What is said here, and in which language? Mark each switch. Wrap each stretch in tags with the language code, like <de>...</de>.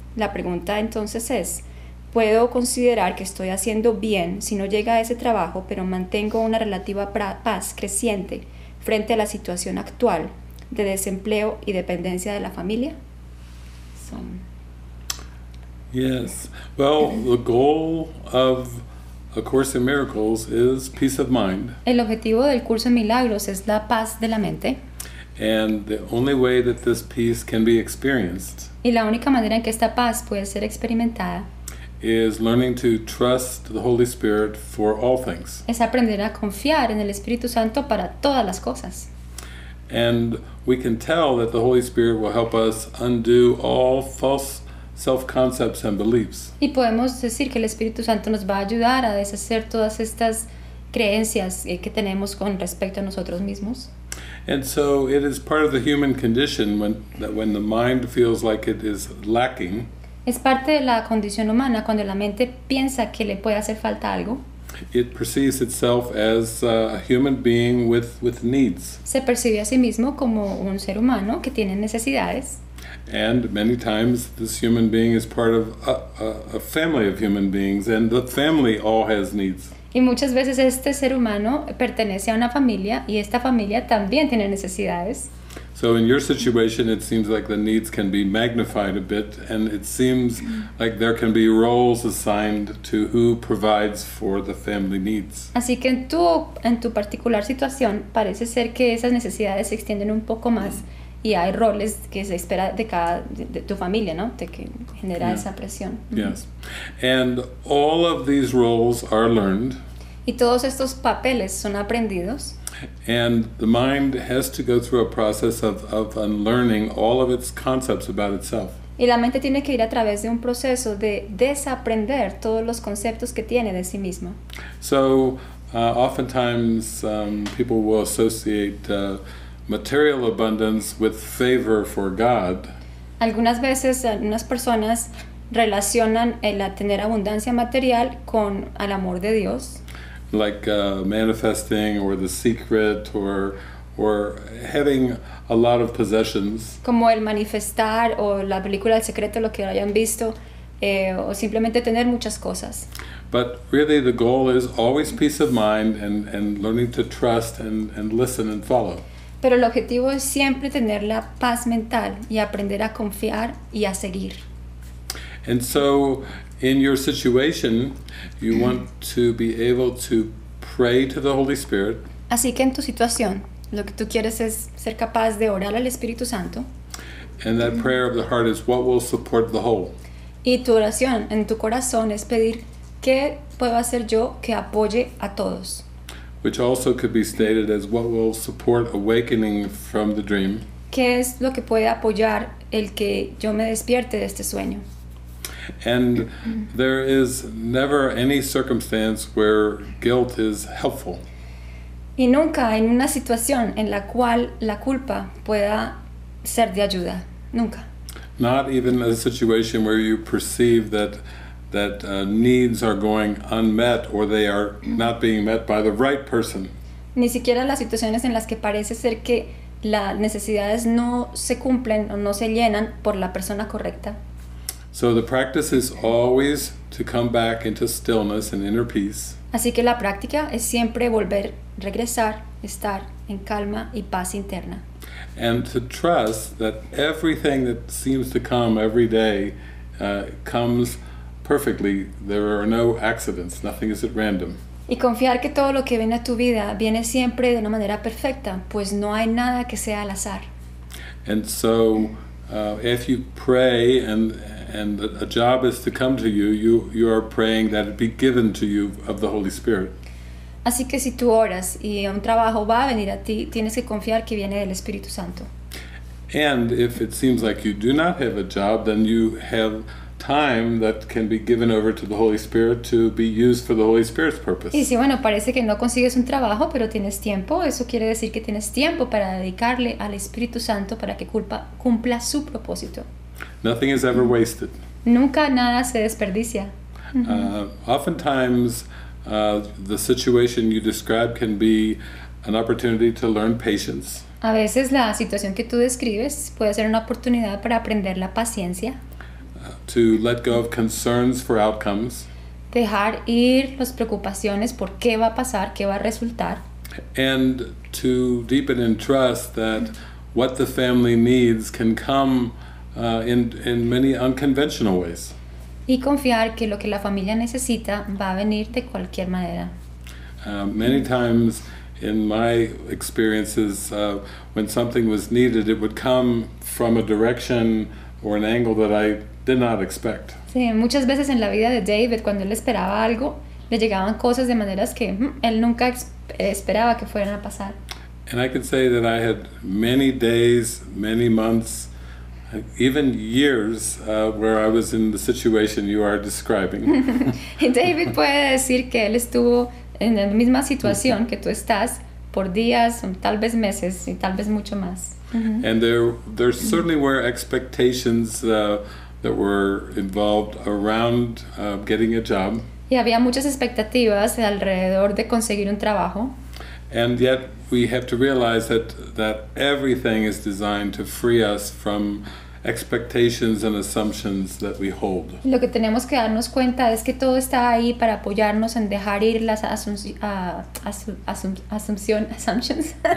<es>La pregunta entonces es, ¿puedo considerar que estoy haciendo bien si no llega a ese trabajo, pero mantengo una relativa paz creciente frente a la situación actual de desempleo y dependencia de la familia?</es> <en>So. Yes. Well, the goal of A Course in Miracles is peace of mind.</en> <es>El objetivo del curso de milagros es la paz de la mente.</es> <en>And the only way that this peace can be experienced,</en> <es>y la única manera en que esta paz puede ser experimentada,</es> <en>is learning to trust the Holy Spirit for all things.</en> <es>Es aprender a confiar en el Espíritu Santo para todas las cosas.</es> <en>And we can tell that the Holy Spirit will help us undo all false self-concepts and beliefs.</en> <es>Y podemos decir que el Espíritu Santo nos va a ayudar a deshacer todas estas creencias que tenemos con respecto a nosotros mismos.</es> <en>And so it is part of the human condition when the mind feels like it is lacking.</en> <es>Es parte de la condición humana cuando la mente piensa que le puede hacer falta algo.</es> <en>It perceives itself as a human being with needs.</en> <es>Se percibe a sí mismo como un ser humano que tiene necesidades.</es> <en>And many times this human being is part of a family of human beings, and the family all has needs.</en> <es>Y muchas veces este ser humano pertenece a una familia y esta familia también tiene necesidades.</es> <en>So in your situation it seems like the needs can be magnified a bit, and it seems like there can be roles assigned to who provides for the family needs.</en> <es>Así que en tu particular situación parece ser que esas necesidades se extienden un poco más y hay roles que se espera de cada de tu familia, ¿no? De que genera esa presión.</es> <en>Yes. And all of these roles are learned.</en> <es>Y todos estos papeles son aprendidos.</es> <en>And the mind has to go through a process of unlearning all of its concepts about itself.</en> <es>Y la mente tiene que ir a través de un proceso de desaprender todos los conceptos que tiene de sí mismo.</es> <en>So, oftentimes people will associate material abundance with favor for God.</en> <es>Algunas veces unas personas relacionan el tener abundancia material con el amor de Dios.</es> <en>Like manifesting or the secret or having a lot of possessions.</en> <es>Como el manifestar o la película El Secreto, lo que hayan visto, o simplemente tener muchas cosas.</es> <en>But really the goal is always peace of mind and learning to trust and listen and follow.</en> <es>Pero el objetivo es siempre tener la paz mental y aprender a confiar y a seguir.</es> <en>And so in your situation you want to be able to pray to the Holy Spirit.</en> <es>Así que en tu situación lo que tú quieres es ser capaz de orar al Espíritu Santo.</es> <en>And that prayer of the heart is what will support the whole.</en> <es>Y tu oración en tu corazón es pedir qué puedo hacer yo que apoye a todos.</es> <en>Which also could be stated as what will support awakening from the dream.</en> <es>¿Qué es lo que puede apoyar el que yo me despierte de este sueño?</es> <en>And there is never any circumstance where guilt is helpful.</en> <es>Y nunca en una situación en la cual la culpa pueda ser de ayuda. Nunca.</es> <en>Not even a situation where you perceive that needs are going unmet or they are not being met by the right person.</en> <es>Ni siquiera las situaciones en las que parece ser que las necesidades no se cumplen o no se llenan por la persona correcta.</es> <en>So the practice is always to come back into stillness and inner peace.</en> <es>Así que la práctica es siempre volver, regresar, estar en calma y paz interna.</es> <en>And to trust that everything that seems to come every day comes perfectly. There are no accidents. Nothing is at random.</en> <es>Y confiar que todo lo que viene a tu vida viene siempre de una manera perfecta, pues no hay nada que sea al azar.</es> <en>And so, if you pray and a job is to come to you, you are praying that it be given to you of the Holy Spirit.</en> <es>Así que si tú oras y un trabajo va a venir a ti, tienes que confiar que viene del Espíritu Santo.</es> <en>And if it seems like you do not have a job, then you have time that can be given over to the Holy Spirit to be used for the Holy Spirit's purpose.</en> <es>Y si, bueno, parece que no consigues un trabajo, pero tienes tiempo, eso quiere decir que tienes tiempo para dedicarle al Espíritu Santo para que cumpla su propósito.</es> <en>Nothing is ever wasted.</en> <es>Nunca nada se desperdicia.</es> <en>Oftentimes, the situation you describe can be an opportunity to learn patience.</en> <es>A veces la situación que tú describes puede ser una oportunidad para aprender la paciencia.</es> <en>To let go of concerns for outcomes.</en> <es>Dejar ir las preocupaciones por qué va a pasar, qué va a resultar.</es> <en>And to deepen in trust that what the family needs can come in many unconventional ways.</en> <es>Y confiar que lo que la familia necesita va a venir de cualquier manera.</es> <en>Many times in my experiences, when something was needed, it would come from a direction or an angle that I did not expect.</en> <es>Sí, muchas veces en la vida de David, cuando él esperaba algo, le llegaban cosas de maneras que él nunca esperaba que fueran a pasar.</es> <en>And I can say that I had many days, many months, even years where I was in the situation you are describing.</en> <es>David puede decir que él estuvo en la misma situación que tú estás por días, tal vez meses, y tal vez mucho más.</es> <en>And there certainly were expectations that were involved around getting a job.</en> <es>Y había muchas expectativas alrededor de conseguir un trabajo.</es> <en>And yet we have to realize that everything is designed to free us from expectations and assumptions that we hold.</en> <es>Lo que tenemos que darnos cuenta es que todo está ahí para apoyarnos en dejar ir las assumptions.</es>